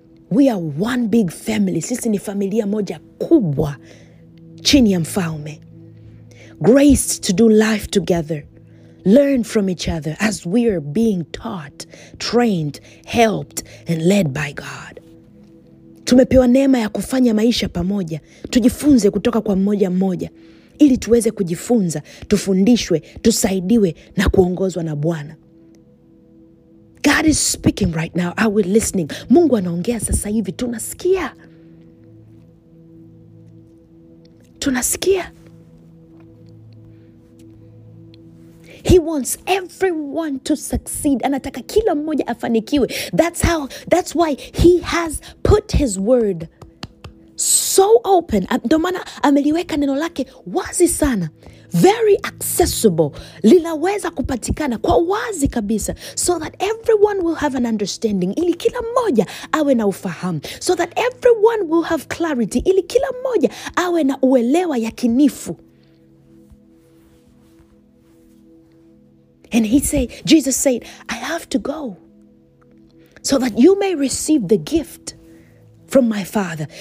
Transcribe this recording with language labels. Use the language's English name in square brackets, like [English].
[English] We are one big family. [Swahili] Sisi ni familia moja kubwa chini ya mfalme. [English] Grace to do life together. Learn from each other as we are being taught, trained, helped, and led by God. [Swahili] Tumepewa neema ya kufanya maisha pamoja. Tujifunze kutoka kwa mmoja mmoja. Ili tuweze kujifunza, tufundishwe, tusaidiwe na kuongozwa na Bwana. [English] God is speaking right now. Are we listening? [Swahili] Mungu anaongea sasa hivi. Tunasikia. Tunasikia. [English] He wants everyone to succeed. [Swahili] Anataka kila mmoja afanikiwe. [English] That's why he has put his word so open. [Swahili] Ndio maana ameliweka neno lake wazi sana. [English] Very accessible. [Swahili] Linaweza kupatikana kwa wazi kabisa. [English] So that everyone will have an understanding. [Swahili] Ili kila mmoja awe na ufahamu. [English] So that everyone will have clarity. [Swahili] Ili kila mmoja awe na uelewa yakinifu. [English] And he said, Jesus said, I have to go so that you may receive the gift from my Father.